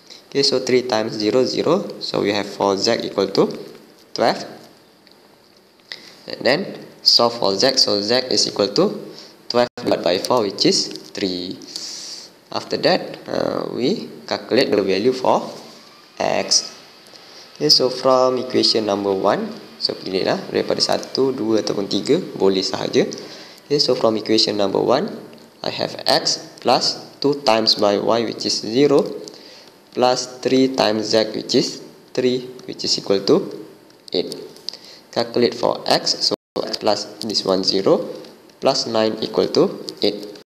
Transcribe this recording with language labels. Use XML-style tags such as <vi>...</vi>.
<en>Okay, so 3 times 0, 0. So, we have 4z equal to 12. And then, solve for z. So, z is equal to 12 divided by 4, which is 3. After that, we calculate the value for x. Okay, so from equation number 1.</en> <ms>So, pilihlah daripada 1, 2 ataupun 3. Boleh sahaja.</ms> <en>Okay, so from equation number 1, I have x plus 2 times by y, which is 0. Plus 3 times z, which is 3, which is equal to 8. Calculate for x, so plus this one 0, plus 9 equal to 8.</en>